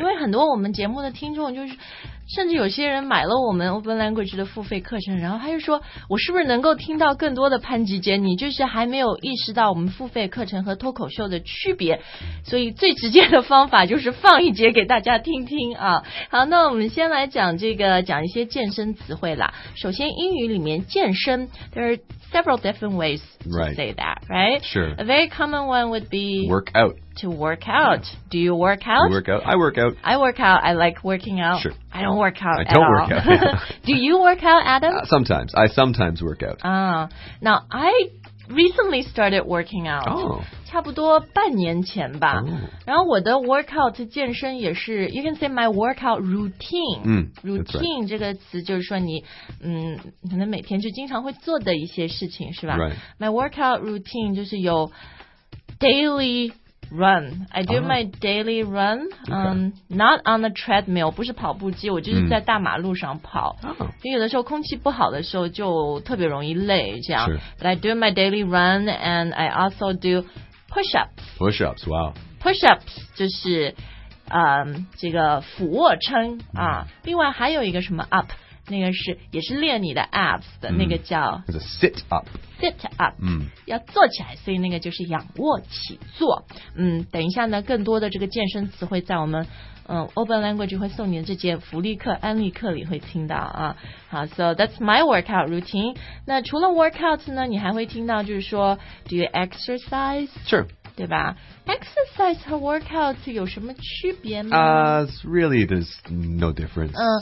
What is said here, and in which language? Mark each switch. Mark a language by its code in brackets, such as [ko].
[zh] 因为很多我们节目的听众就是甚至有些人买了我们 Open Language 的付费课程然后他就说我是不是能够听到更多的潘吉杰你就是还没有意识到我们付费课程和脱口秀的区别所以最直接的方法就是放一节给大家听听啊。好那我们先来讲这个讲一些健身词汇啦首先英语里面健身 [en] there are several different ways to say that right sure a very common one would be workout to work out、yeah. do you work out I work out I work out I work out I like working out sure I don't work out at all. I don't work out. Do you work out, Adam? Sometimes. I sometimes work out. Now, I recently started working out. Oh. [zh] 差不多半年前吧。 [en] Oh. [zh] 然后我的 [en] workout [zh] 健身也是 [en] you can say my workout routine. [zh] Routine 这个词就是说你可能每天就经常会做的一些事情是吧 [en] Right. My workout routine [zh] 就是有 [en] dailyRun. I do my daily run. Not on the treadmill. [zh] 不是跑步机，我就是在大马路上跑。因为有的时候空气不好的时候就特别容易累，这样。 [en] But I do my daily run, and I also do push-ups. Push-ups. Wow. [zh] Push-ups 就是，这个俯卧撑啊。另外还有一个什么 up， 那个是也是练你的 abs 的那个叫。 [en] It's a sit up. [zh] Sit up,、要坐起来，所以那个就是仰卧起坐。等一下呢，更多的这个健身词汇在我们Open Language 会送你的这节福利课、安利课里会听到啊。 [en] 好 ，So that's my workout routine. [zh] 那除了 workout 呢，你还会听到就是说 ， [en] Do you exercise? Sure. [zh] 对吧 ？Exercise 和 workout 有什么区别吗 [en] ？Really, there's no difference.